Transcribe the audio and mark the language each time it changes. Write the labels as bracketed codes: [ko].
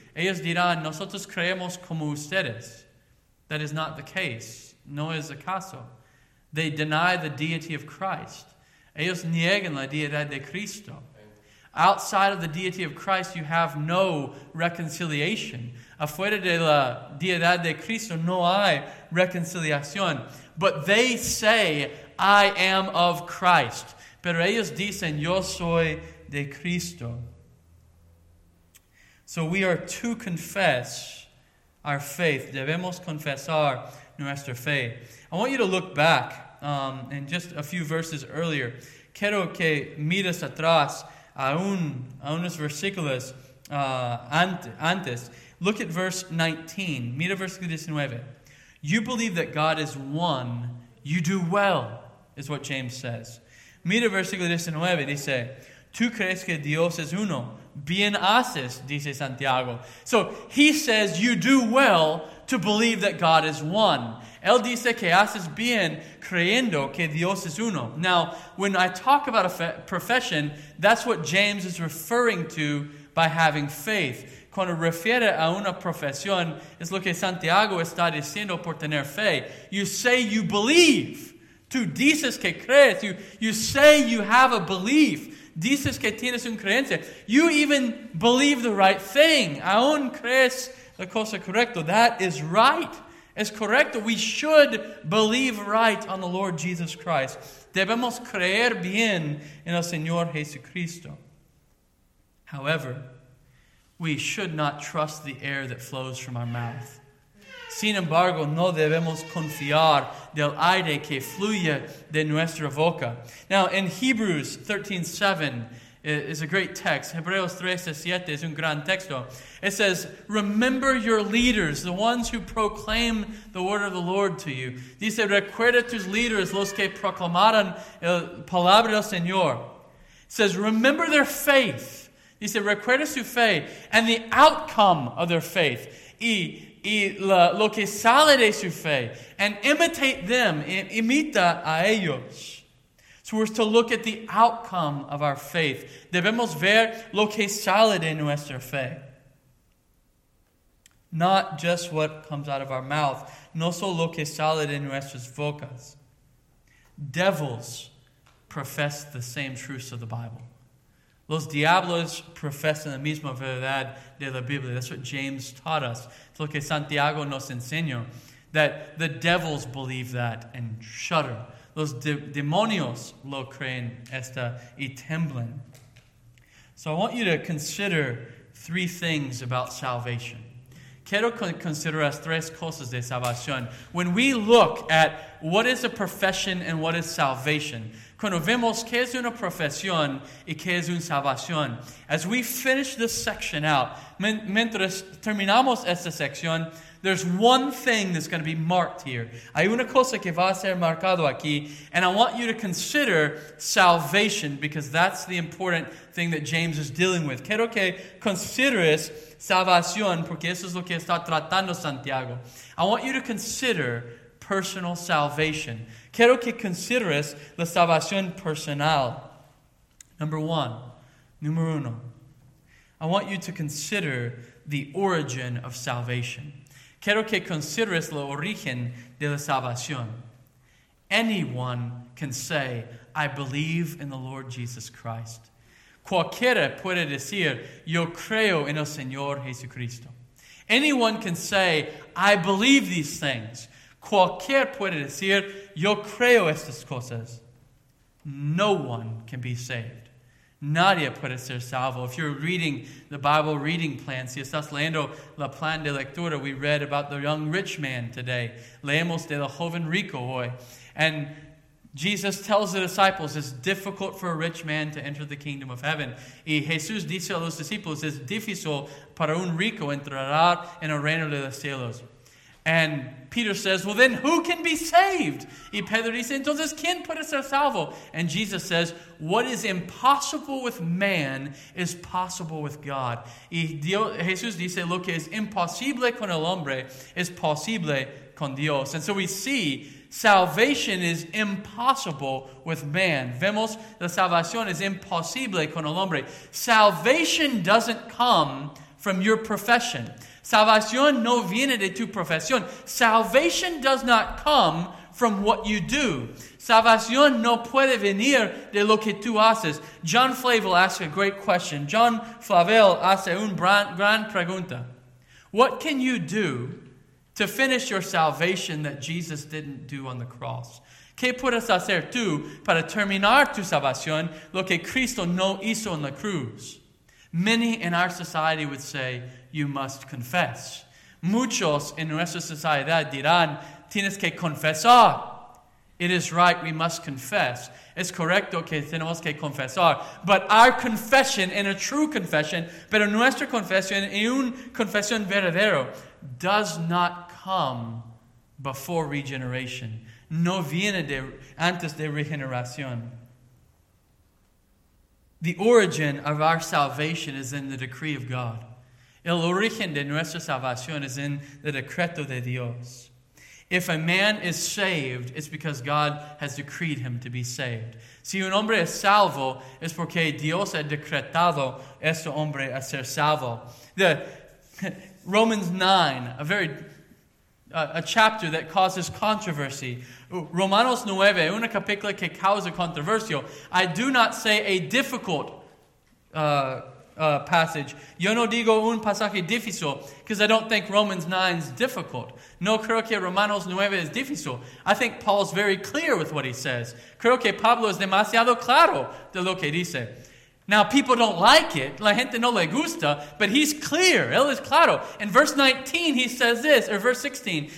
[es] Ellos dirán, nosotros creemos como ustedes. [en] That is not the case. [es] No es el caso. [en] They deny the deity of Christ. [es] Ellos niegan la deidad de Cristo. [en] Outside of the deity of Christ, you have no reconciliation. [es] Afuera de la deidad de Cristo, no hay reconciliación. [en] But they say, I am of Christ. [es] Pero ellos dicen, yo soy de Cristo. [en] So we are to confess our faith. [es] Debemos confesar nuestra fe. [en] I want you to look back in just a few verses earlier. [es] Quiero que mires atrás a unos versículos antes. [en] Look at verse 19. [es] Mira versículo 19. [en] You believe that God is one. You do well, is what James says. [es] Mira versículo 19. Dice, tú crees que Dios es uno. Bien haces, dice Santiago. [en] So he says you do well to believe that God is one. [es] Él dice que haces bien creyendo que Dios es uno. [en] Now, when I talk about a profession, that's what James is referring to by having faith. [es] Cuando refiere a una profesión, es lo que Santiago está diciendo por tener fe. [en] You say you believe. [es] Tú dices que crees. [en] You say you have a belief. [es] Dices que tienes un creencia. [en] You even believe the right thing. [es] Aún crees la cosa correcta. [en] That is right. [es] Es correcto. [en] We should believe right on the Lord Jesus Christ. [es] Debemos creer bien en el Señor Jesucristo. [en] However, we should not trust the air that flows from our mouth. [es] Sin embargo, no debemos confiar del aire que fluye de nuestra boca. [en] Now, in Hebrews 13:7 is a great text. [es] Hebreos 13:7 es un gran texto. [en] It says, remember your leaders, the ones who proclaim the word of the Lord to you. [es] Dice, recuerda tus líderes, los que proclamaron el palabra del Señor. [en] It says, remember their faith. [es] Dice, recuerda su fe [en] and the outcome of their faith. [es] Lo que sale de su fe, [en] and imitate them, [es] imita a ellos. [en] So we're to look at the outcome of our faith. [es] Debemos ver lo que sale de nuestra fe. [en] Not just what comes out of our mouth, [es] no solo lo que sale de nuestras bocas. [en] Devils profess the same truths of the Bible. [es] Los diablos profesan la misma verdad de la Biblia. [en] That's what James taught us. [es] It's lo que Santiago nos enseñó. [en] That the devils believe that and shudder. [es] Los demonios lo creen esta y temblan. [en] So I want you to consider three things about salvation. [es] Quiero consideras tres cosas de salvación. [en] When we look at what is a profession and what is salvation, [es] cuando vemos qué es una profesión y qué es una salvación, [en] as we finish this section out, [es] mientras terminamos esta sección, [en] there's one thing that's going to be marked here. [es] Hay una cosa que va a ser marcado aquí, [en] and I want you to consider salvation because that's the important thing that James is dealing with. [es] Quiero que consideres salvación porque eso es lo que está tratando Santiago. [en] I want you to consider personal salvation. [es] Quiero que consideres la salvación personal. Número uno. [en] I want you to consider the origin of salvation. [es] Quiero que consideres el origen de la salvación. [en] Anyone can say, I believe in the Lord Jesus Christ. [es] Cualquiera puede decir, yo creo en el Señor Jesucristo. [en] Anyone can say, I believe these things. [es] Cualquiera puede decir, yo creo estas cosas. [en] No one can be saved. [es] Nadie puede ser salvo. [en] If you're reading the Bible reading plan, [es] si estás leyendo la plan de lectura, [en] we read about the young rich man today. [es] Leemos de la joven rico hoy. [en] And Jesus tells the disciples, it's difficult for a rich man to enter the kingdom of heaven. [es] Y Jesús dice a los discípulos, es difícil para un rico entrar en el reino de los cielos. [en] And Peter says, well, then who can be saved? [es] Y Pedro dice, entonces, ¿quién puede ser salvo? [en] And Jesus says, what is impossible with man is possible with God. [es] Y Jesús dice, lo que es imposible con el hombre es posible con Dios. [en] And so we see salvation is impossible with man. [es] Vemos la salvación es imposible con el hombre. [en] Salvation doesn't come from your profession. [es] Salvación no viene de tu profesión. [en] Salvation does not come from what you do. [es] Salvación no puede venir de lo que tú haces. [en] John Flavel asks a great question. [es] John Flavel hace una gran pregunta. [en] What can you do to finish your salvation that Jesus didn't do on the cross? [es] ¿Qué puedes hacer tú para terminar tu salvación lo que Cristo no hizo en la cruz? [en] Many in our society would say, you must confess. [es] Muchos en nuestra sociedad dirán, tienes que confesar. [en] It is right, we must confess. [es] Es correcto que tenemos que confesar. [en] But our confession, in a true confession, [es] pero nuestra confesión, en una confesión verdadera, [en] does not come before regeneration. [es] No viene de antes de regeneración. [en] The origin of our salvation is in the decree of God. [es] El origen de nuestra salvación es en el decreto de Dios. [en] If a man is saved, it's because God has decreed him to be saved. [es] Si un hombre es salvo, es porque Dios ha decretado este hombre a ser salvo. [en] The Romans 9, a chapter that causes controversy. [es] Romanos 9, una capítulo que causa controversia. [en] I do not say a difficult passage. [es] Yo no digo un pasaje difícil [en] because I don't think Romans 9 is difficult. [es] No creo que Romanos 9 es difícil. [en] I think Paul's very clear with what he says. [es] Creo que Pablo es demasiado claro de lo que dice. [en] Now, people don't like it. [es] La gente no le gusta, [en] but he's clear. [es] Él es claro. [en] In verse 19, he says this, or verse 16.